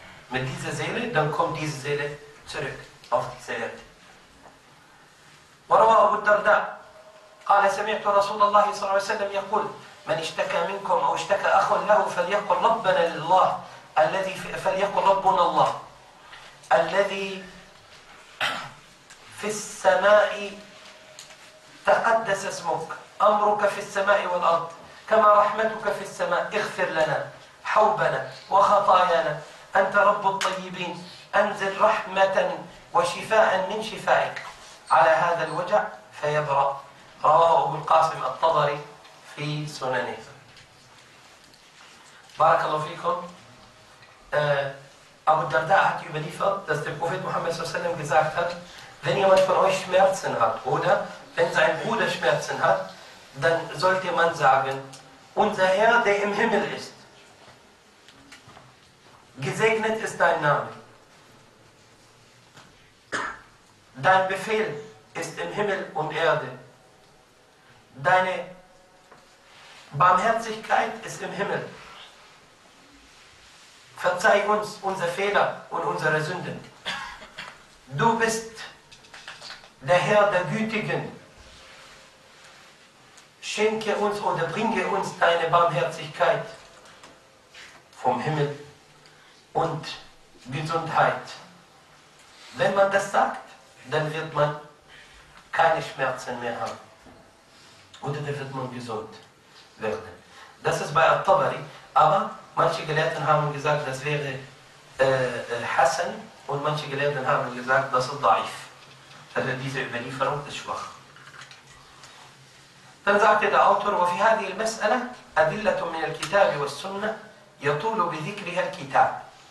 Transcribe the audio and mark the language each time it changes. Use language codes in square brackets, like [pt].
[de] Mit dieser Seele, dann kommt diese Seele zurück auf diese Erde. [ar] وروى أبو الدرداء قال سمعت رسول الله صلى الله عليه وسلم يقول من اشتكى منكم أو اشتكى أخ له فليقل ربنا لله الذي فليقل ربنا الله الذي في السماء تقدس اسمك أمرك في السماء والأرض كما رحمتك في السماء اغفر لنا حوبنا وخطايانا أنت رب الطيبين أنزل رحمة وشفاء من شفائك على هذا الوجع فيبرأ رواه أبو القاسم الطبري في سننه [de] بارك الله فيكم أبو الدرداء hat überliefert, dass der Prophet Muhammad صلى الله عليه وسلم gesagt hat, wenn jemand von euch Schmerzen hat oder wenn sein Bruder Schmerzen hat, dann sollte man sagen, unser Herr, der im Himmel ist, gesegnet ist dein Name. Dein Befehl ist im Himmel und Erde. Deine Barmherzigkeit ist im Himmel. Verzeih uns unsere Fehler und unsere Sünden. Du bist der Herr der Gütigen. Schenke uns oder bringe uns deine Barmherzigkeit vom Himmel. Und Gesundheit. Wenn man das sagt, dann wird man keine Schmerzen mehr haben. Oder dann wird man gesund werden. Das ist bei At-Tabari. Aber manche Gelehrten haben gesagt, das wäre Hassan. Und manche Gelehrten haben gesagt, das ist Daif. Also diese Überlieferung ist schwach. Dann sagte der Autor, [ar] وفي هذه المسألة أدلة من الكتاب والسنة يطول بذكرها الكتاب.